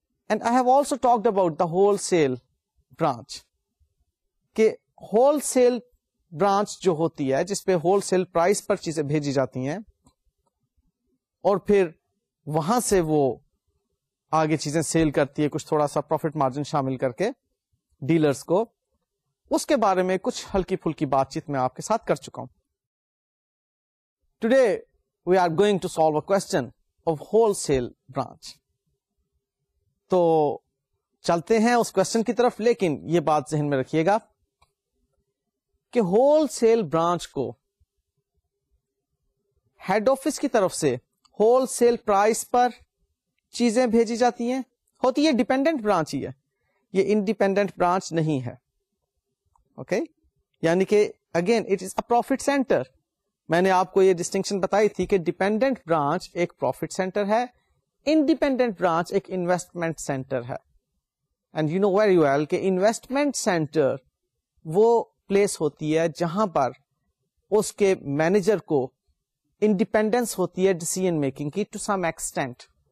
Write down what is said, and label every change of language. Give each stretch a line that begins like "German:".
English: and I have also talked about the wholesale branch,
Urdu: کہ whole cell branch جو ہوتی ہے جس پہ ہول سیل پرائز پر چیزیں بھیجی جاتی ہیں اور پھر وہاں سے وہ آگے چیزیں سیل کرتی ہے کچھ تھوڑا سا پروفٹ مارجن شامل کر کے ڈیلرز کو، اس کے بارے میں کچھ ہلکی پھلکی بات چیت میں آپ کے ساتھ کر چکا ہوں.
English: Today we are going to solve a question of wholesale branch.
Urdu: تو چلتے ہیں اس question کی طرف، لیکن یہ بات ذہن میں رکھیے گا کہ wholesale branch کو head office کی طرف سے wholesale price پر چیزیں بھیجی جاتی ہیں، ہوتی ہے dependent branch ہی ہے، یہ independent branch نہیں ہے.
English: Okay,
Urdu: یعنی کہ
English: again it is a profit center.
Urdu: میں نے آپ کو یہ ڈسٹنکشن بتائی تھی کہ ڈیپینڈنٹ برانچ ایک پروفٹ سینٹر ہے، انڈیپینڈنٹ برانچ ایک انویسٹمنٹ سینٹر ہے.
English: and you know very well
Urdu: کہ انویسٹمنٹ سینٹر وہ پلیس ہوتی ہے جہاں پر اس کے مینیجر کو انڈیپینڈنس ہوتی ہے ڈیسیژن میکنگ کی
English: To some extent.